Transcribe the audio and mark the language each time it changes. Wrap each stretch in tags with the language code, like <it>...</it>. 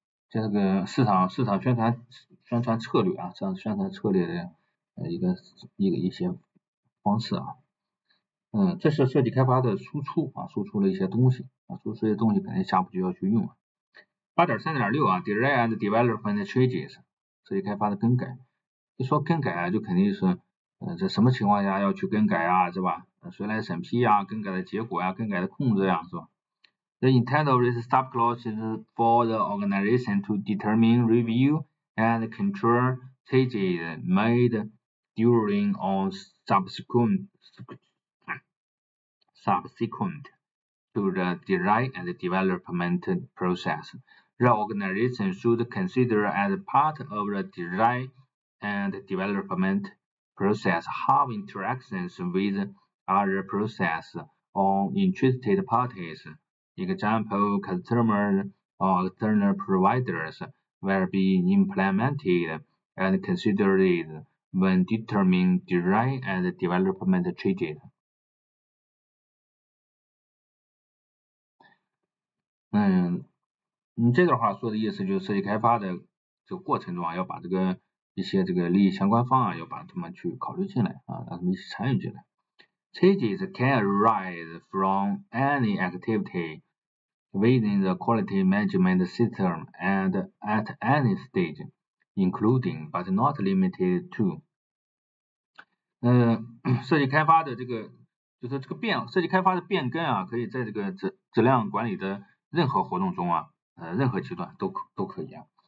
<zh>这个市场宣传策略啊，这样宣传策略的一些方式啊，这是设计开发的输出啊，输出了一些东西啊，输出一些东西肯定下步就要去用啊。 8.3.6 啊 ，</zh> <en>design and development changes，</en> <zh>设计开发的更改。一说更改啊，就肯定是，在什么情况下要去更改啊，是吧？谁来审批啊？更改的结果啊，更改的控制呀、啊，是吧</zh> <en>？The intent of this sub clause is for the organization to determine, review, and control changes made during or subsequent to the design and development process. The organization should consider as part of the design. And development process have interactions with other process or interested parties. Example, customer or external providers will be implemented and considered when determining design and development changes.</en> <zh>这段话说的意思就是设计开发的这个过程中啊，要把这个一些这个利益相关方啊，要把他们去考虑进来啊，让他们一起参与进来。</zh> <en>Changes can arise from any activity within the quality management system and at any stage, including but not limited to。</en> <zh>设计开发的这个就是这个变，设计开发的变更啊，可以在这个质量管理的任何活动中啊，任何阶段都可以啊。</zh>